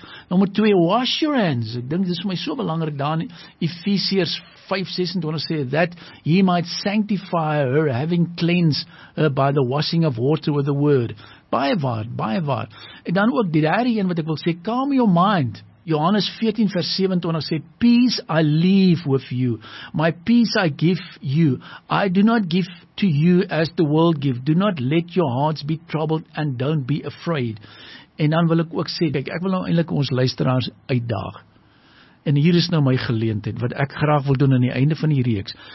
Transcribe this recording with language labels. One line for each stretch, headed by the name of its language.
Afrikaans: Nummer 2,
English: wash your hands,
Afrikaans: ek dink dit is vir my so belangrik, daar in Ephesians 5, 26 sê,
English: that he might sanctify her, having cleansed her by the washing of water with the word.
Afrikaans: Baie waar. En dan ook die derde een wat ek wil sê,
English: calm your mind.
Afrikaans: Johannes 14 vers 27 sê,
English: peace I leave with you, my peace I give you, I do not give to you as the world give, do not let your hearts be troubled and don't be afraid.
Afrikaans: En dan wil ek ook sê, kijk, ek wil nou eindelijk ons luisteraars uitdaag, en hier is nou my geleentheid, wat ek graag wil doen aan die einde van die reeks.